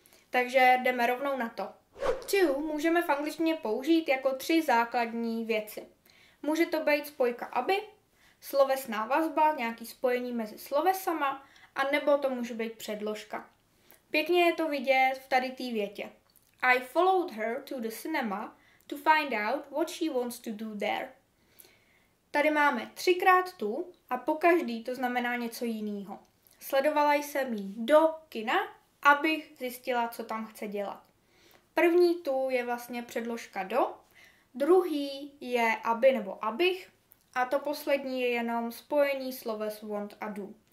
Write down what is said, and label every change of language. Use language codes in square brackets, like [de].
[cs] Takže jdeme rovnou na to. To můžeme v angličtině použít jako tři základní věci. Může to být spojka aby, slovesná vazba, nějaký spojení mezi slovesama, a nebo to může být předložka. Pěkně je to vidět v tady té větě. [en] I followed her to the cinema to find out what she wants to do there. [cs] Tady máme třikrát tu a po každý to znamená něco jiného. Sledovala jsem jí do kina, abych zjistila, co tam chce dělat. První tu je vlastně předložka do, druhý je aby nebo abych a to poslední je jenom spojení sloves want a do.